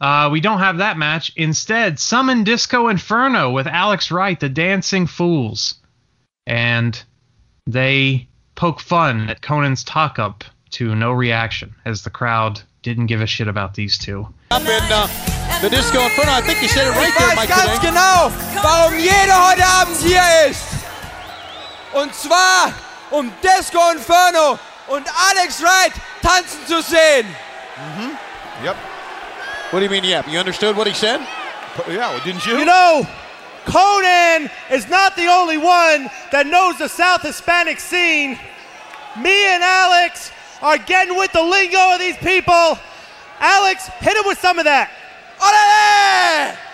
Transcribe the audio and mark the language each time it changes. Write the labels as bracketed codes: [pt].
[en] We don't have that match. Instead, Summon Disco Inferno with Alex Wright, the Dancing Fools. And they poke fun at Conan's talk-up to no reaction, as the crowd didn't give a shit about these two. Up in the Disco Inferno, I think you said it right there, Mike. [de] Ganz genau, warum jeder heute Abend hier ist. Und zwar Disco Inferno und Alex Wright tanzen zu sehen. [en] Mm-hmm. Yep. What do you mean, yep? You understood what he said? Yeah, well, didn't you? You know, Conan is not the only one that knows the South Hispanic scene. Me and Alex are getting with the lingo of these people. Alex, hit him with some of that. Orale!